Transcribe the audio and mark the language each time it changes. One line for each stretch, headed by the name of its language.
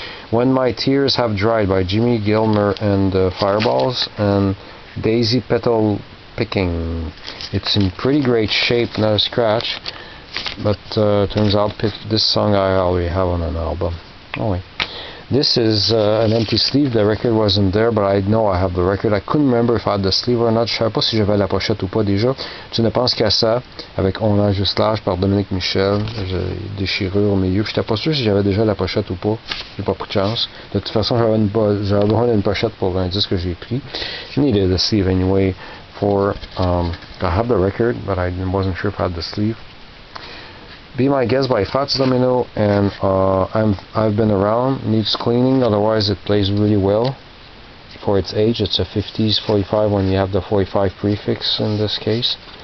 English: When My Tears Have Dried by Jimmy Gilmer and Fireballs, and Daisy Petal Picking. It's in pretty great shape, not a scratch, but turns out this song I already have on an album. Anyway. This is an empty sleeve. The record wasn't there, but I know I have the record. I couldn't remember if I had the sleeve or not.
French: Je savais pas si j'avais la pochette ou pas déjà. Tu ne penses qu'à ça, avec On a juste l'âge par Dominique Michel. J'ai déchirure au milieu. J'étais pas sûr si j'avais déjà la pochette ou pas. J'ai pas pris de chance. De toute façon, j'avais besoin d'une pochette pour un disque que j'ai pris.
English: I needed a sleeve anyway for to have the record, but I wasn't sure if I had the sleeve. Be My Guest by Fats Domino, and I've Been Around needs cleaning, otherwise it plays really well for its age. It's a 50s 45 when you have the 45 prefix in this case.